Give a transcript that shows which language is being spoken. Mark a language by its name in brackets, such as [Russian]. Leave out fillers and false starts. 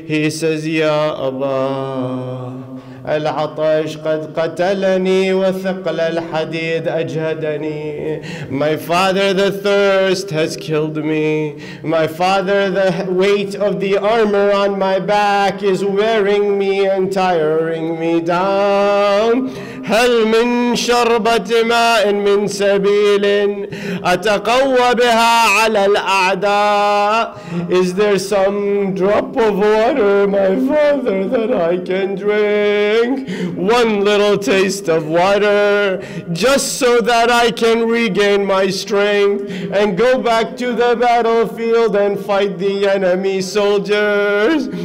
[English] He says, [Arabic] Ya Abba, Al-Atash qad qatalani wa thiql al-hadid ajhadani. [English] My father, the thirst has killed me. My father, the weight of the armor on my back is wearing me and tiring me down. [Arabic] هل من شربة ماء من سبيل أتقوى بها على الأعداء. [English] Is there some drop of water, my father, that I can drink? One little taste of water, just so that I can regain my strength and go back to the battlefield and fight the enemy soldiers.